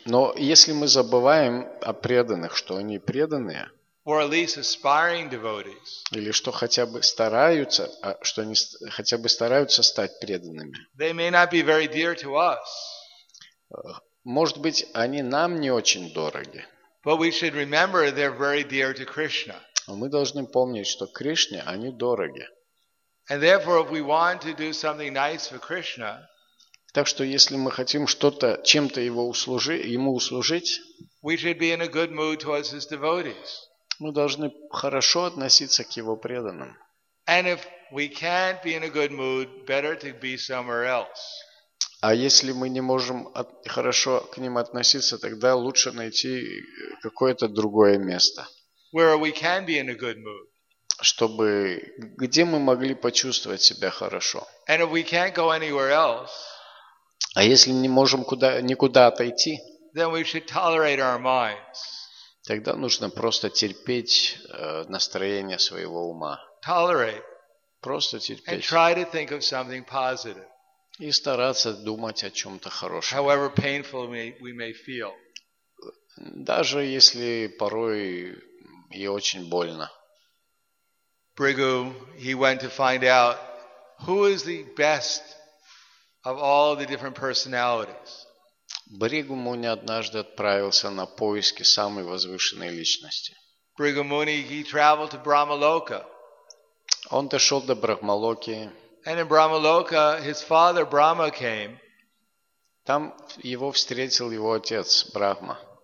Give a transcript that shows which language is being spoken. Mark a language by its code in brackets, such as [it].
[ru] Но если мы забываем о преданных, что они преданные, [en] or at least aspiring devotees, [ru] или что хотя бы стараются, что они хотя бы стараются стать преданными, [en] they may not be very dear to us. [ru] Может быть, они нам не очень дороги. [en] But we should remember they're very dear to Krishna. [ru] Мы должны помнить, что Кришне они дороги. [en] And therefore, if we want to do something nice for Krishna, [ru] так что если мы хотим что-то, чем-то ему услужить, [en] we should be in a good mood towards his devotees. [ru] Мы должны хорошо относиться к его преданным. [en] And if we can't be in a good mood, better to be somewhere else. [ru] А если мы не можем хорошо к ним относиться, тогда лучше найти какое-то другое место. [en] Where we can be in a good mood. [ru] Чтобы где мы могли почувствовать себя хорошо. [en] And if we can't go anywhere else, [ru] а если не можем никуда отойти, [en] then we should tolerate our minds. [ru] Тогда нужно просто терпеть настроение своего ума. [en] Tolerate. [ru] Просто терпеть. [en] And try to think of something positive. [ru] И стараться думать о чем-то хорошем. [en] However painful we may feel. [ru] Даже если порой и очень больно. [en] Бригу, he went to find out who is the best of all the different personalities. [ru] Бригу Муни однажды отправился на поиски самой возвышенной личности. [en] Бригу Муни, he traveled to Брахмалока. [ru] Он дошел до Брахмалоки. [en] And in Brahmaloka, his father Brahma came. [ru] Там его встретил его отец Брахма.